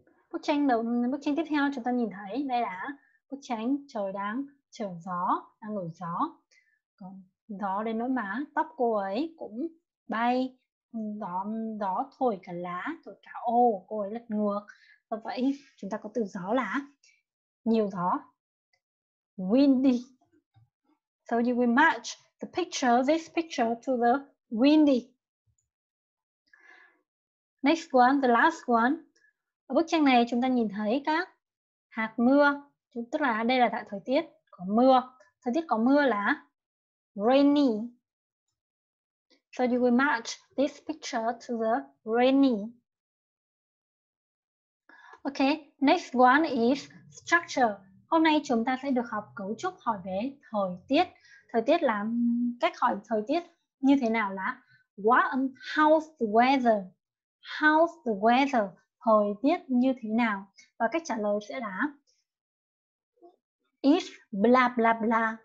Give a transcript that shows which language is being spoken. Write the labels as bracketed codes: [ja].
[vi] Bức tranh tiếp theo chúng ta nhìn thấy đây là bức tranh trời đang trở gió, đang nổi gió. Gió đến nỗi má tóc cô ấy cũng bay, gió thổi cả lá, thổi cả ô, cô ấy lật ngược. Và vậy chúng ta có từ gió là nhiều gió, windy. [en] So you will match this picture to the windy. Next one, the last one. [vi] Ở bức tranh này chúng ta nhìn thấy các hạt mưa, tức là đây là thời tiết có mưa. Thời tiết có mưa là rainy. [en] So you will match this picture to the rainy. Okay, next one is structure. [vi] Hôm nay chúng ta sẽ được học cấu trúc hỏi về thời tiết. Thời tiết là cách hỏi thời tiết như thế nào là [en] how's the weather? How's the weather? [vi] Thời tiết như thế nào? Và cách trả lời sẽ là [en] is blah blah blah.